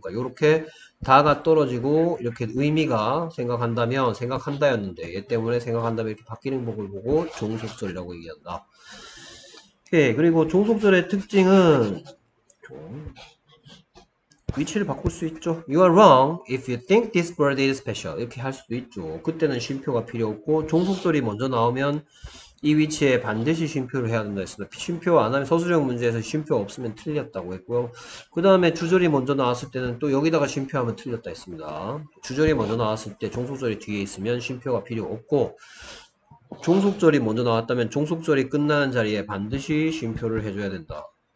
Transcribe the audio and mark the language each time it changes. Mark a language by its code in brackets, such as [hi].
[ko] 그러니까 이렇게 다가 떨어지고 이렇게 의미가 생각한다면 생각한다였는데 얘 때문에 생각한다면 이렇게 바뀌는 법을 보고 종속절이라고 얘기한다. 오케이. 그리고 종속절의 특징은 위치를 바꿀 수 있죠. [en] You are wrong if you think this bird is special. [ko] 이렇게 할 수도 있죠. 그때는 쉼표가 필요 없고 종속절이 먼저 나오면 이 위치에 반드시 쉼표를 해야 된다 했습니다. 쉼표 안 하면 서술형 문제에서 쉼표 없으면 틀렸다고 했고요. 그 다음에 주절이 먼저 나왔을 때는 또 여기다가 쉼표하면 틀렸다 했습니다. 주절이 먼저 나왔을 때 종속절이 뒤에 있으면 쉼표가 필요 없고 종속절이 먼저 나왔다면 종속절이 끝나는 자리에 반드시 쉼표를 해줘야 된다.